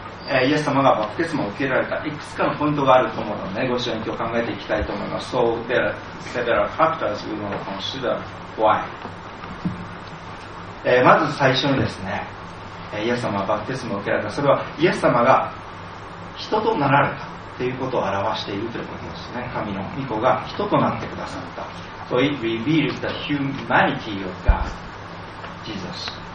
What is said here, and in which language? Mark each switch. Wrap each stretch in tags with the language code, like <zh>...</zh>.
<ja>イエス様がバプテスマを受けられたいくつかのポイントがあると思うので、ね、ご一緒に今日考えていきたいと思います。</ja> <en>So there are several factors we want to consider why.</en> <ja>まず最初にですね、イエス様がバプテスマを受けられた、それはイエス様が人となられたということを表しているということですね。神の御子が人となってくださった。</ja> <en>So it reveals the humanity of God, Jesus.</en>